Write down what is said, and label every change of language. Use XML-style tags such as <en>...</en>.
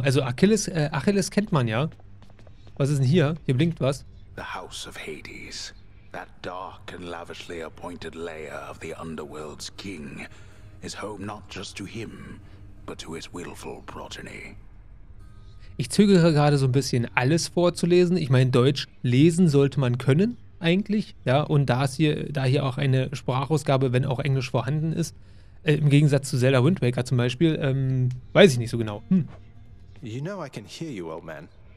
<de>Also Achilles, Achilles kennt man ja. Was ist denn hier? Hier blinkt was.</de> <en>The House of Hades. That dark and lavishly appointed lair of the underworld's king is home not just to him, but to his willful progeny.</en> <de>Ich zögere gerade so ein bisschen, alles vorzulesen. Ich meine, Deutsch lesen sollte man können, eigentlich. Ja, und da hier auch eine Sprachausgabe, wenn auch Englisch vorhanden ist, im Gegensatz zu Zelda Wind Waker zum Beispiel, weiß ich nicht so genau.</de> <en>You know I can hear you, old man.</en>